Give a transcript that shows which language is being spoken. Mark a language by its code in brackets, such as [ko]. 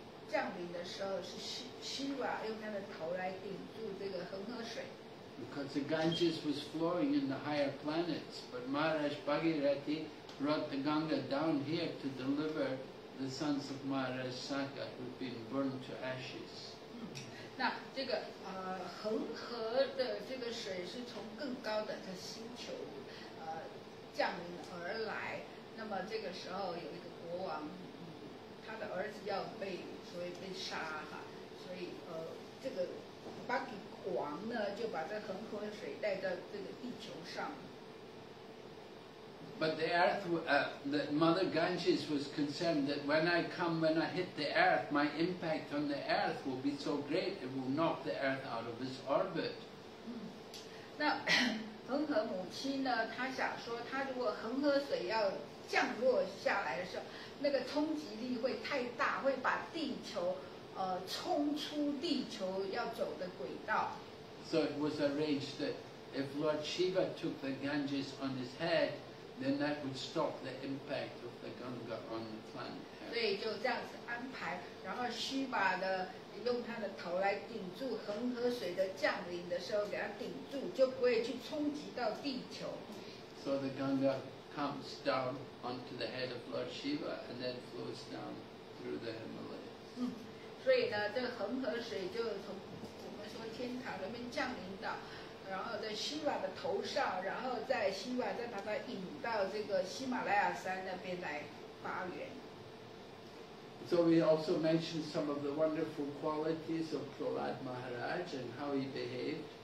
[zh] 降临的时候是Shiva用他的头来顶住这个恒河水。 [en] Because the Ganges was flowing in the higher planets, but Maharaj Bhagirathi brought the Ganga down here to deliver the sons of Maharaj Sakha who'd been burned to ashes. [zh] 那这个恒河的这个水是从更高的这星球降临而来。那么这个时候有一个国王，他的儿子要被所以被杀哈，所以这个巴吉王呢就把这恒河水带到这个地球上。 [en] But the earth, the Mother Ganges was concerned that when I come, when I hit the earth, my impact on the earth will be so great it will knock the earth out of its orbit. [zh] 那恒河母亲呢？她想说，她如果恒河水要降落下来的时候，那个冲击力会太大，会把地球冲出地球要走的轨道。 [en] So it was arranged that if Lord Shiva took the Ganges on his head. Then that would stop the impact of the Ganga on the planet. [zh] 对，就这样子安排。然后须把的用他的头来顶住恒河水的降临的时候，给他顶住，就不会去冲击到地球。 [en] So the Ganga comes down onto the head of Lord Shiva and then flows down through the Himalayas. [zh] 所以呢，这个恒河水就从我们说天堂那边降临到。然后在希瓦的头上，然后在希瓦再把它引到这个喜马拉雅山那边来发源。 [en] So we also mentioned some of the wonderful qualities of Prahlad Maharaj and how he behaved.